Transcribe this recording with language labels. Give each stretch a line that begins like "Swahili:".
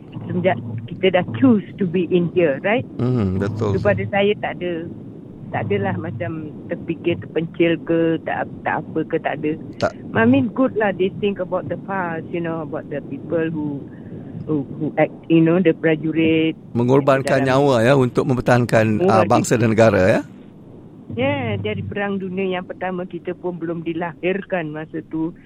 Malay: Sejak kita dah
English: choose to be in here, right?
Malay: Betul. Kepada saya tak adalah macam terfikir, terpencil ke, tak apa ke, tak ada. Tak.
English: I mean, good lah, they think about the past, you know, about the people who act, you know, the prajurit.
Malay: Mengorbankan nyawa ya untuk mempertahankan bangsa dan negara ya. Yeah, dari Perang Dunia yang pertama kita pun belum dilahirkan masa tu.